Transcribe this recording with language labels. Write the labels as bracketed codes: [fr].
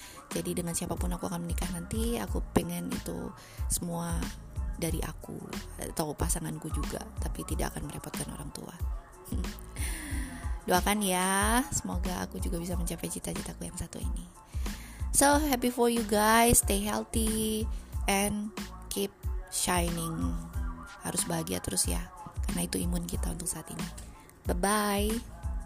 [id] Jadi dengan siapapun aku akan menikah nanti, aku pengen itu semua dari aku atau pasanganku juga, tapi tidak akan merepotkan orang tua. Doakan ya, semoga aku juga bisa mencapai cita-citaku yang satu ini. [en] So happy for you guys, stay healthy and keep shining. [id] Harus bahagia terus ya, karena itu imun kita untuk saat ini. Bye bye.